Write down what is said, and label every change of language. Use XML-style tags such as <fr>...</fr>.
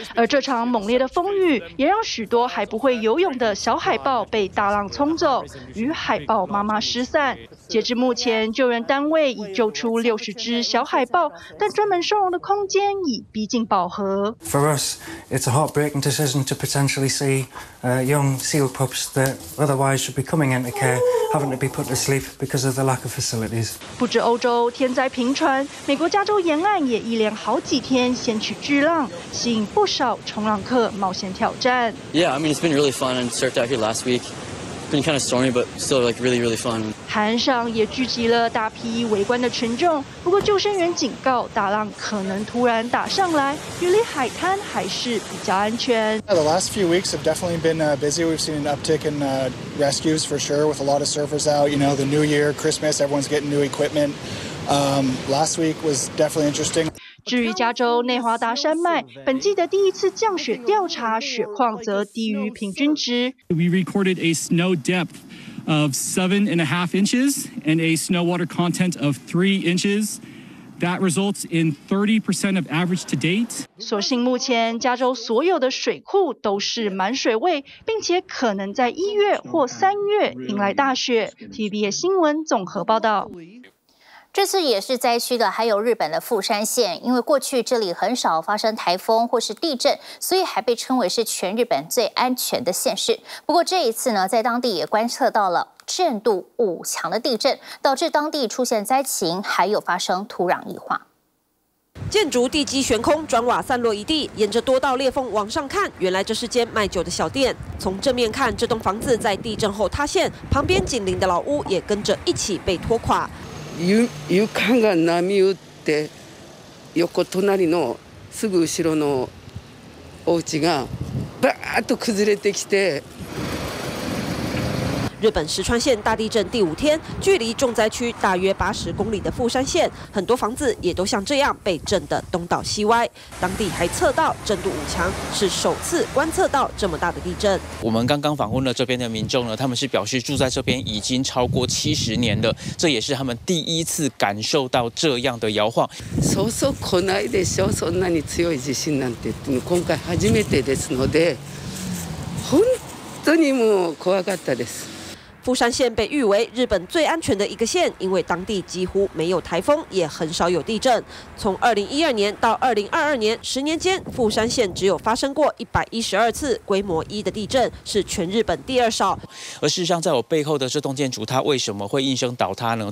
<zh>而这场猛烈的风雨也让许多还不会游泳的小海豹被大浪冲走，与海豹妈妈失散。截至目前，救援单位已救出60只小海豹，但专门收容的空间已逼近饱和。</zh> <en>For us, it's a heartbreaking decision to potentially see young seal pups that otherwise should be coming into care having to be put to sleep because of the lack of facilities.</en> <zh>不止欧洲天灾频传，美国加州沿岸也一连好几天掀起巨浪，吸引不少冲浪客冒险挑战。</zh> <en>Yeah, I mean it's been really fun and surfed out here last week. Been kind of stormy, but still like really, really fun.</en> <zh>海上也聚集了大批围观的群众。不过救生员警告，大浪可能突然打上来，远离海滩还是比较安全。</zh> <en>The last few weeks have definitely been busy. We've seen an uptick in rescues for sure, with a lot of surfers out. You know, the New Year, Christmas, everyone's getting new equipment. Last week was definitely interesting.</en> <zh>至于加州内华达山脉，本季的第一次降雪调查，雪况则低于平均值。</zh> <en>We recorded a snow depth of 7.5 inches and a snow water content of 3 inches. That results in 30% of average to date.</en> <zh>所幸目前加州所有的水库都是满水位，并且可能在一月或三月迎来大雪。 TVBS 新闻综合报道。这次也是灾区的，还有日本的富山县，因为过去这里很少发生台风或是地震，所以还被称为是全日本最安全的县市。不过这一次呢，在当地也观测到了震度5强的地震，导致当地出现灾情，还有发生土壤异化。建筑地基悬空，砖瓦散落一地，沿着多道裂缝往上看，原来这是间卖酒的小店。从正面看，这栋房子在地震后塌陷，旁边紧邻的老屋也跟着一起被拖垮。</zh> <ja>床が波打って横隣のすぐ後ろのお家がバーッと崩れてきて</ja> <zh>日本石川县大地震第五天，距离重灾区大约80公里的富山县，很多房子也都像这样被震得东倒西歪。当地还测到震度5强，是首次观测到这么大的地震。我们刚刚访问了这边的民众呢，他们是表示住在这边已经超过70年的，这也是他们第一次感受到这样的摇晃。</zh> <ja>そうそう来ないでしょ。そんなに強い地震なんて今回初めてですので、本当にもう怖かったです。</ja> <zh>富山县被誉为日本最安全的一个县，因为当地几乎没有台风，也很少有地震。从2012年到2022年，十年间，富山县只有发生过112次规模1的地震，是全日本第二少。而事实上，在我背后的这栋建筑，它为什么会应声倒塌呢？</zh>